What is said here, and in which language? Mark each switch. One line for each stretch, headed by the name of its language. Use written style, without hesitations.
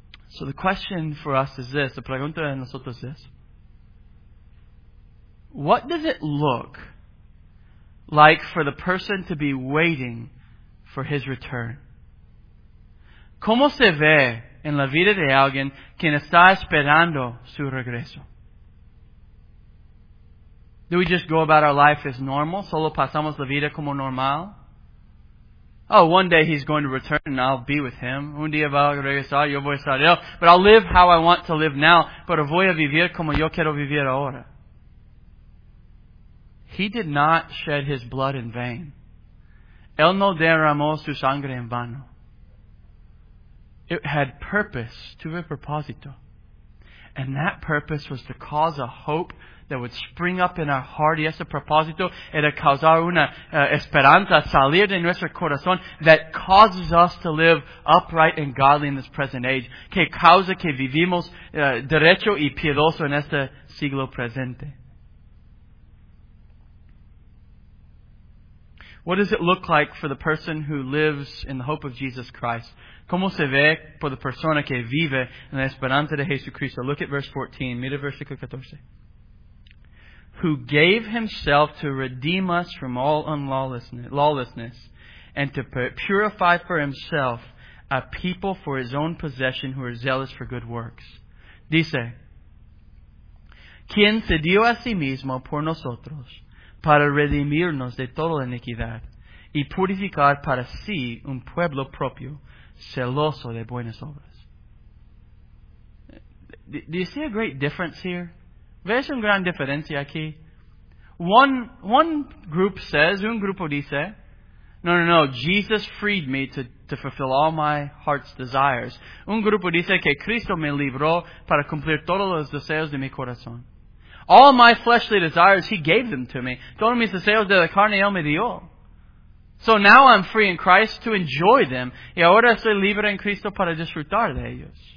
English: So the question for us is this.
Spanish: La pregunta de nosotros es
English: this. What does it look like for the person to be waiting for His return?
Spanish: ¿Cómo se ve en la vida de alguien quien está esperando su regreso?
English: Do we just go about our life as normal?
Spanish: ¿Solo pasamos la vida como normal?
English: Oh, one day He's going to return and I'll be with Him.
Spanish: Un día va a regresar, yo voy a estar él.
English: But I'll live how I want to live now,
Spanish: pero voy a vivir como yo quiero vivir ahora.
English: He did not shed His blood in vain.
Spanish: Él no derramó su sangre en vano.
English: It had purpose,
Spanish: tuve propósito.
English: And that purpose was to cause a hope that would spring up in our heart.
Spanish: Y ese propósito era causar una esperanza, salir de nuestro corazón,
English: that causes us to live upright and godly in this present age.
Spanish: Que causa que vivimos derecho y piedoso en este siglo presente.
English: What does it look like for the person who lives in the hope of Jesus Christ?
Spanish: ¿Cómo se ve por la persona que vive en la esperanza de Jesucristo?
English: Look at verse 14.
Spanish: Mira versículo 14.
English: Who gave himself to redeem us from all lawlessness and to purify for himself a people for his own possession who are zealous for good works.
Spanish: Dice, quien se dio a sí mismo por nosotros para redimirnos de toda la iniquidad y purificar para sí un pueblo propio celoso de buenas obras.
English: Do you see a great difference here?
Spanish: ¿Ves una gran diferencia aquí?
English: One group says,
Spanish: un grupo dice, no,
English: Jesus freed me to fulfill all my heart's desires.
Spanish: Un grupo dice que Cristo me libró para cumplir todos los deseos de mi corazón.
English: All my fleshly desires, He gave them to me.
Spanish: Todos mis deseos de la carne, Él me dio.
English: So now I'm free in Christ to enjoy them.
Spanish: Y ahora estoy libre en Cristo para disfrutar de ellos.